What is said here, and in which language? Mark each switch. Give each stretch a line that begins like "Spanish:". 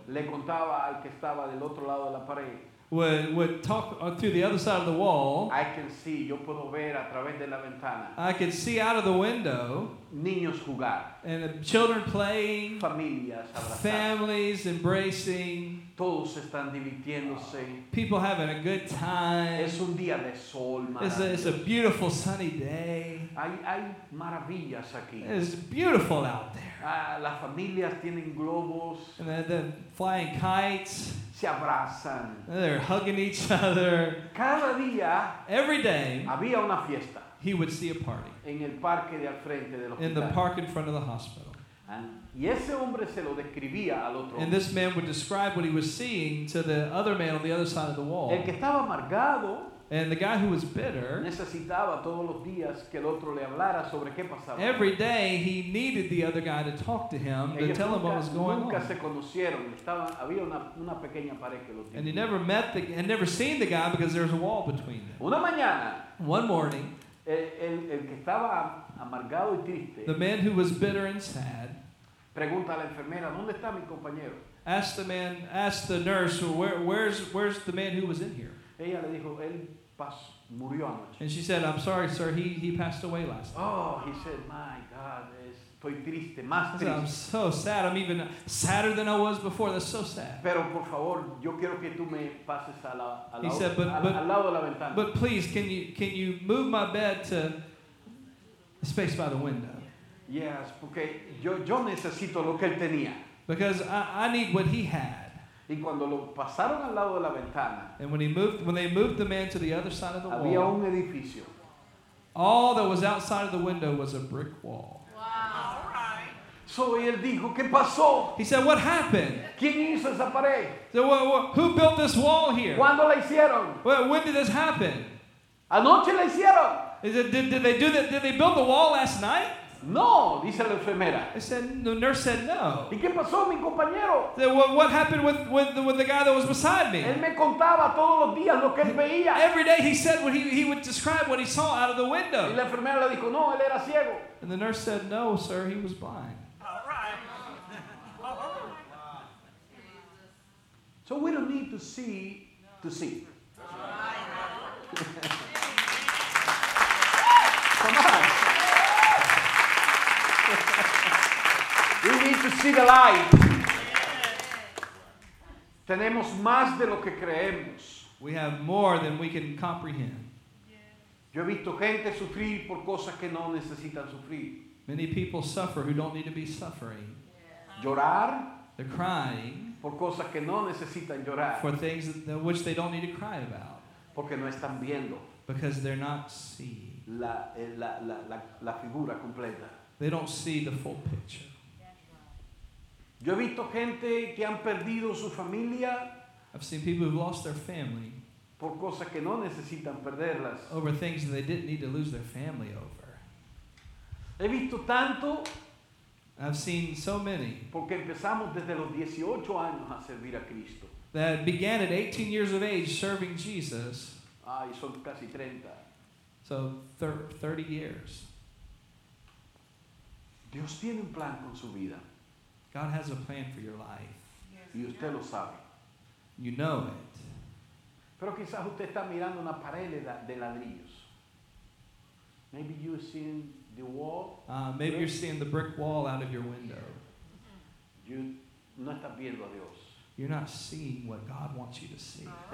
Spanish: Le contaba al que estaba del otro lado de la pared.
English: Would talk to the other side of the wall. I can see.
Spanish: Yo puedo ver a través de la ventana.
English: I can see out of the window.
Spanish: Niños jugar.
English: And children playing.
Spanish: Familias abrazadas.
English: Families embracing.
Spanish: Todos están divirtiéndose.
English: People having a good time.
Spanish: Es un día de sol, maravilloso.
English: It's a beautiful sunny day.
Spanish: Hay maravillas aquí.
English: It's beautiful out there.
Spanish: Las familias tienen globos.
English: And they're flying kites.
Spanish: Se abrazan.
English: And they're hugging each other.
Spanish: Cada día.
English: Every day.
Spanish: Había una fiesta.
English: He would see a party.
Spanish: En el parque de al frente del hospital.
English: In the park in front of the hospital.
Spanish: Y ese hombre se lo describía al otro.
English: And this man would describe what he was seeing to the other man on the other side of the wall.
Spanish: El que estaba amargado.
English: And the guy who was bitter.
Spanish: Necesitaba todos los días que el otro le hablara sobre qué pasaba.
English: Every day he needed the other guy to talk to him, to tell him what was going on.
Spanish: Nunca se conocieron. Había una pequeña pared que los.
English: And he never met the and never seen the guy because there's a wall between them.
Spanish: Una mañana.
English: One morning.
Spanish: El que estaba amargado y triste.
English: The man who was bitter and sad.
Spanish: Pregunta a la enfermera, ¿dónde está mi compañero?
English: Ask the nurse, where's the man who was in here?
Spanish: Ella le dijo, él pasó, murió anoche.
English: And she said, I'm sorry, sir, he passed away last night. Oh, he said, my God,
Spanish: estoy triste, más triste.
English: I'm so sad, I'm even sadder than I was before, that's so sad.
Spanish: Pero por favor, yo quiero que tú me pases al lado de la ventana.
English: But please, can you move my bed to the space by the window?
Spanish: Yes, porque yo necesito lo que él tenía.
English: Because I need what he had.
Spanish: Y cuando lo pasaron al lado de la ventana.
English: And when they moved the man to the other side of the
Spanish: había
English: wall.
Spanish: Había un edificio.
English: All that was outside of the window was a brick wall. Wow. All right.
Spanish: So él dijo, ¿qué pasó?
English: He said, what happened?
Spanish: ¿Quién hizo esa pared?
English: So, who built this wall here?
Spanish: ¿Cuándo la hicieron?
English: When did this happen?
Spanish: Anoche la hicieron.
English: Is it, did they do that? Did they build the wall last night?
Spanish: No, dice la enfermera.
English: The nurse said no.
Spanish: ¿Y qué pasó, mi compañero?
English: What happened with the guy that was beside me?
Spanish: Él me contaba todos los días lo que él veía.
English: Every day he said what he would describe what he saw out of the window.
Spanish: Y la enfermera le dijo, no, él era ciego.
English: And the nurse said, no, sir, he was blind. All right. So we don't need to see to see. Come on. We need to see the light.
Spanish: Tenemos más de lo que creemos.
English: We have more than we can comprehend.
Spanish: Yo he visto gente sufrir por cosas que no necesitan sufrir.
English: Many people suffer who don't need to be suffering.
Spanish: Llorar.
English: They're crying.
Spanish: Por cosas que no necesitan llorar.
English: For things which they don't need to cry about.
Spanish: Porque no están viendo.
English: Because they're not seeing.
Spanish: La figura completa.
English: They don't see the full picture.
Spanish: Yo he visto gente que han perdido su familia.
English: I've seen people who've lost their family.
Spanish: Por cosas que no necesitan perderlas.
English: Over things that they didn't need to lose their family over.
Spanish: He visto tanto.
English: I've seen so many.
Spanish: Porque empezamos desde los 18 años a servir a Cristo.
English: That began at 18 years of age serving Jesus.
Spanish: Ah, y son casi 30.
English: So 30 years.
Spanish: Dios tiene un plan con su vida.
English: God has a plan for your life.
Spanish: Y usted lo sabe.
English: You know it.
Spanish: Pero quizás usted está mirando una pared de ladrillos.
English: Maybe you're seeing the wall. Maybe you're seeing the brick wall out of your window.
Spanish: You no estás viendo a Dios.
English: You're not seeing what God wants you to see.